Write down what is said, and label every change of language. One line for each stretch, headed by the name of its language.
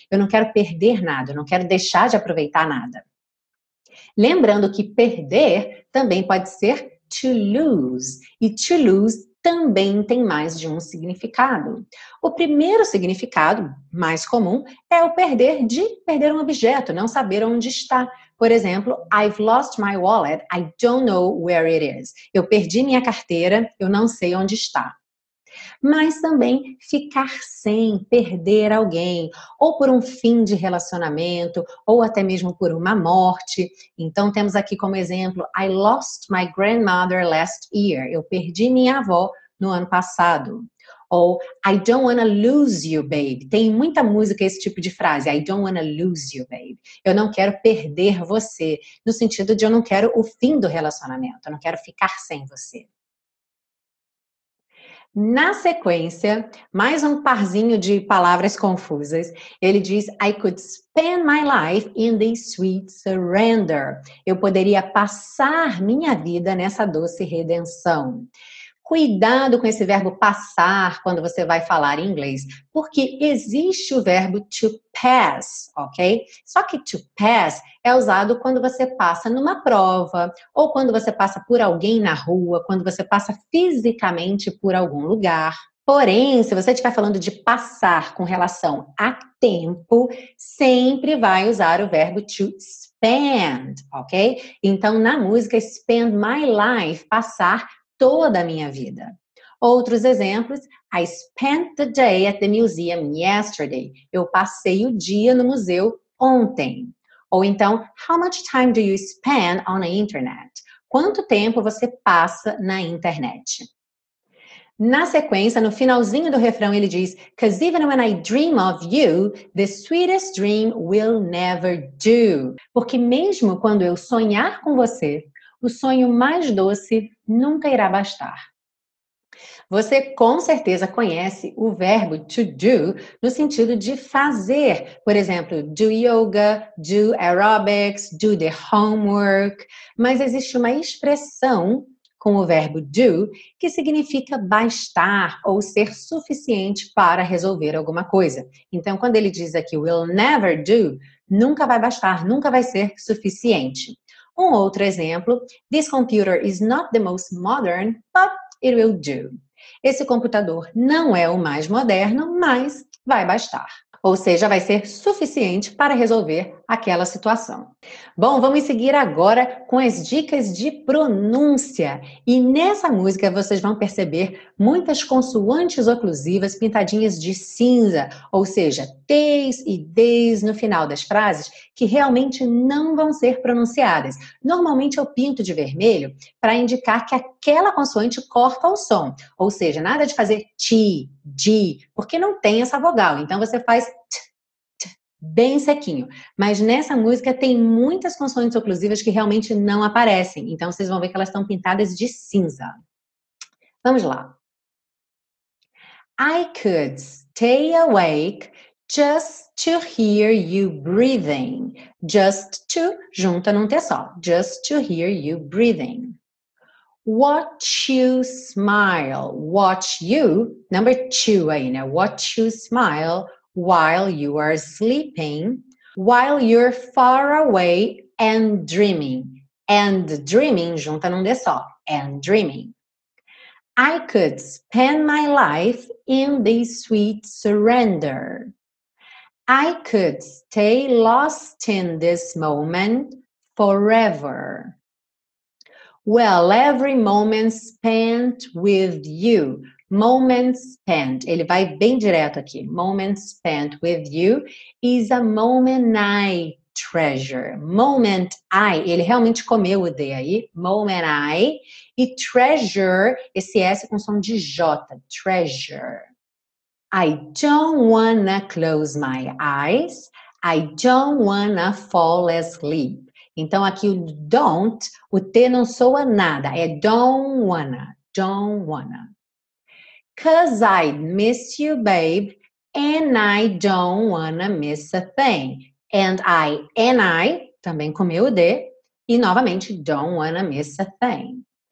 Portuguese: Eu não quero perder nada, eu não quero deixar de aproveitar nada. Lembrando que perder também pode ser to lose. E to lose também tem mais de um significado. O primeiro significado, mais comum, é o perder de perder um objeto, não saber onde está.
English: Por exemplo, I've lost my wallet, I don't know where it is.
Portuguese: Eu perdi minha carteira, eu não sei onde está. Mas também ficar sem, perder alguém, ou por um fim de relacionamento, ou até mesmo por uma morte. Então temos aqui como exemplo,
English: I lost my grandmother last year.
Portuguese: Eu perdi minha avó no ano passado.
English: Ou I don't wanna lose you, babe.
Portuguese: Tem muita música esse tipo de frase,
English: I don't wanna lose you, babe.
Portuguese: Eu não quero perder você, no sentido de eu não quero o fim do relacionamento, eu não quero ficar sem você. Na sequência, mais um parzinho de palavras confusas. Ele diz,
English: I could spend my life in this sweet surrender.
Portuguese: Eu poderia passar minha vida nessa doce redenção. Cuidado com esse verbo passar quando você vai falar em inglês. Porque existe o verbo to pass, ok? Só que to pass é usado quando você passa numa prova, ou quando você passa por alguém na rua, quando você passa fisicamente por algum lugar. Porém, se você estiver falando de passar com relação a tempo, sempre vai usar o verbo to spend, ok? Então, na música,
English: spend my life,
Portuguese: passar toda a minha vida. Outros exemplos,
English: I spent the day at the museum yesterday.
Portuguese: Eu passei o dia no museu ontem. Ou então,
English: how much time do you spend on the internet?
Portuguese: Quanto tempo você passa na internet? Na sequência, no finalzinho do refrão, ele diz,
English: because even when I dream of you, the sweetest dream will never do.
Portuguese: Porque mesmo quando eu sonhar com você, o sonho mais doce nunca irá bastar. Você com certeza conhece o verbo to do no sentido de fazer. Por exemplo,
English: do yoga, do aerobics, do the homework.
Portuguese: Mas existe uma expressão com o verbo do que significa bastar ou ser suficiente para resolver alguma coisa. Então, quando ele diz aqui
English: will never do,
Portuguese: nunca vai bastar, nunca vai ser suficiente. Um outro exemplo,
English: this computer is not the most modern, but it will do.
Portuguese: Esse computador não é o mais moderno, mas vai bastar. Ou seja, vai ser suficiente para resolver aquela situação. Bom, vamos seguir agora com as dicas de pronúncia. E nessa música vocês vão perceber muitas consoantes oclusivas pintadinhas de cinza. Ou seja, T's e D's no final das frases que realmente não vão ser pronunciadas. Normalmente eu pinto de vermelho para indicar que aquela consoante corta o som. Ou seja, nada de fazer T, G, porque não tem essa vogal. Então você faz T. Bem sequinho. Mas nessa música tem muitas consoantes oclusivas que realmente não aparecem. Então vocês vão ver que elas estão pintadas de cinza. Vamos lá.
English: I could stay awake just to hear you breathing. Just to,
Portuguese: junta num T só.
English: Just to hear you breathing. Watch you smile. Watch you, number two aí, né? Watch you smile. While you are sleeping, while you're far away and dreaming. And dreaming,
Portuguese: junta num D só.
English: And dreaming. I could spend my life in this sweet surrender. I could stay lost in this moment forever. Well, every moment spent with you. Moment spent,
Portuguese: ele vai bem direto aqui.
English: Moment spent with you is a moment I treasure. Moment I,
Portuguese: ele realmente comeu o D aí.
English: Moment I.
Portuguese: E treasure, esse S com som de J.
English: Treasure. I don't wanna close my eyes. I don't wanna fall asleep.
Portuguese: Então aqui o don't, o T não soa nada.
English: É don't wanna. Don't wanna. Cause I'd miss you, babe, and I don't wanna miss a thing. And I,
Portuguese: também comeu o D, e novamente,
English: don't wanna miss a thing.